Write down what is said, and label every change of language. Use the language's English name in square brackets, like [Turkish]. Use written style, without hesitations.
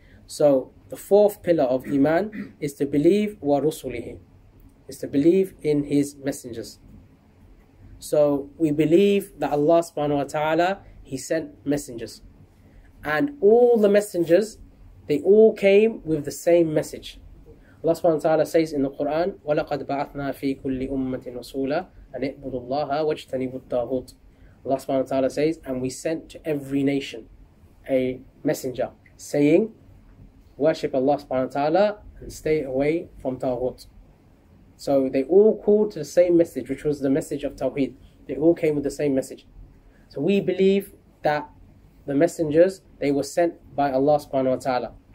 [English] So the fourth pillar of Iman is to believe wa rusulihi, is to believe in His messengers. So we believe that Allah subhanahu wa ta'ala, He sent messengers. And all the messengers, they all came with the same message. Allah subhanahu wa ta'ala says in the Quran, [Arabic] وَلَقَدْ بَعَثْنَا فِي كُلِّ أُمَّةٍ رَسُولًا أَنِ اِعْبُدُ اللَّهَ وَاجْتَنِبُ الطَّاغُوتِ. [English] Allah subhanahu wa ta'ala says, and we sent to every nation a messenger saying, worship Allah subhanahu wa ta'ala and stay away from Tawhut. So they all called to the same message, which was the message of Tawheed. They all came with the same message. So we believe that the messengers, they were sent by Allah subhanahu wa ta'ala.